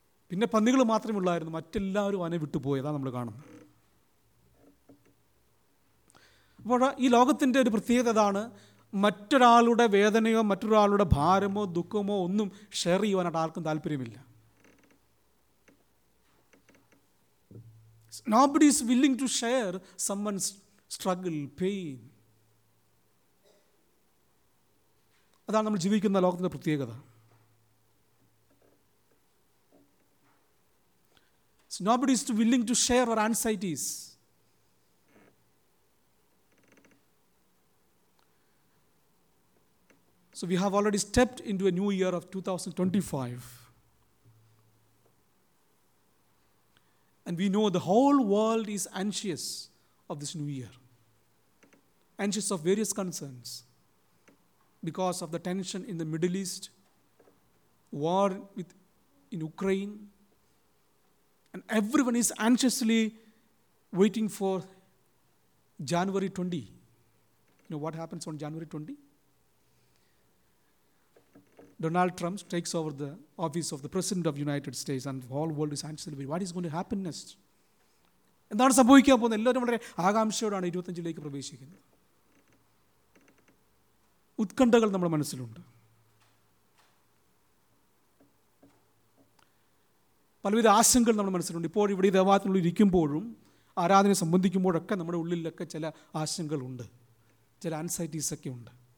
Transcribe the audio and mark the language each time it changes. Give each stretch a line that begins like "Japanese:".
Malayalam: പിന്നെ പന്നികൾ മാത്രമേ ഉള്ളായിരുന്നു, മറ്റെല്ലാവരും അവനെ വിട്ടുപോയതാണ് നമ്മൾ കാണുന്നത്. അപ്പോൾ ഈ ലോകത്തിൻ്റെ ഒരു പ്രത്യേകത അതാണ്, മറ്റൊരാളുടെ വേദനയോ മറ്റൊരാളുടെ ഭാരമോ ദുഃഖമോ ഒന്നും ഷെയർ ചെയ്യുവാനായിട്ട് ആർക്കും താല്പര്യമില്ല.
English: Nobody is willing to share someone's struggle, pain.
Malayalam: അതാണ് നമ്മൾ ജീവിക്കുന്ന ലോകത്തിൻ്റെ പ്രത്യേകത.
English: Nobody is willing to share our anxieties. So we have already stepped into a new year of 2025. And we know the whole world is anxious of this new year, anxious of various concerns because of the tension in the Middle East, war with in Ukraine, and everyone is anxiously waiting for January 20. You know what happens on January 20? Donald Trump takes over the office of the President of the United States and the whole world is anxiously waiting. What is going to happen next?
Malayalam: എന്താണ് സംഭവിക്കാൻ പോകുന്നത്? എല്ലാവരും വളരെ ആകാംക്ഷയോടാണ് 25-ലേക്ക് പ്രവേശിക്കുന്നത്. ഉത്കണ്ഠകൾ നമ്മുടെ മനസ്സിലുണ്ട്. പലവിധ ആശങ്കകൾ നമ്മുടെ മനസ്സിലുണ്ട്. ഇപ്പോൾ ഇവിടെ ഈ ദേവാലയത്തിൽ ഇരിക്കുമ്പോഴും ആരാധനയെ സംബന്ധിക്കുമ്പോഴൊക്കെ നമ്മുടെ ഉള്ളിലൊക്കെ ചില ആശങ്കകളുണ്ട്, ചില ആൻസൈറ്റീസൊക്കെ ഉണ്ട്.